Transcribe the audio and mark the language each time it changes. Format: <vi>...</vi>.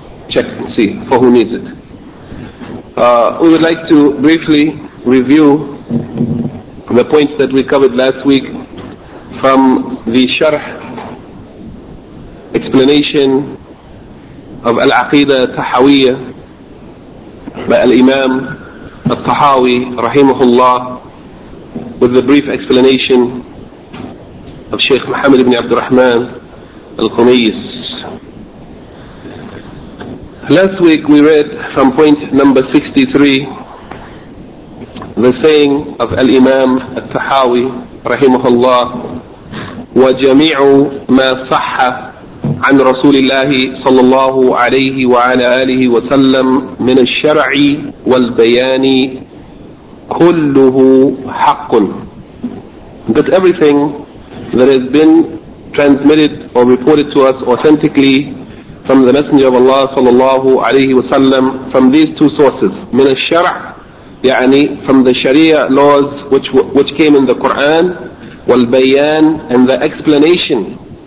<en>Check and see for who needs it. We would like to briefly review the points that we covered last week from the sharh explanation of Al-Aqidah Tahawiyyah by Al-Imam Al-Tahawi Rahimahullah, with the brief explanation of Shaykh Muhammad ibn Abdul Rahman Al-Khumayyis. Last week we read from point number 63 the saying of Al-Imam Al-Tahawi Rahimahullah,</en> <ar>وَجَمِيعُ مَا صَحَّ عَنْ رَسُولِ اللَّهِ صَلَّى اللَّهُ عَلَيْهِ وَعَلَى آلِهِ وَسَلَّمْ مِنَ الشَّرْعِ وَالْبَيَانِ كُلُّهُ حَقٌّ.</ar> <en>That everything that has been transmitted or reported to us authentically from the Messenger of Allah sallallahu alayhi wa sallam, from these two sources,</en> <ar>min al-shar'</ar> <en>يعني from the sharia laws which came in the Quran,</en> <ar>wal-bayan</ar> <en>and the explanation</en>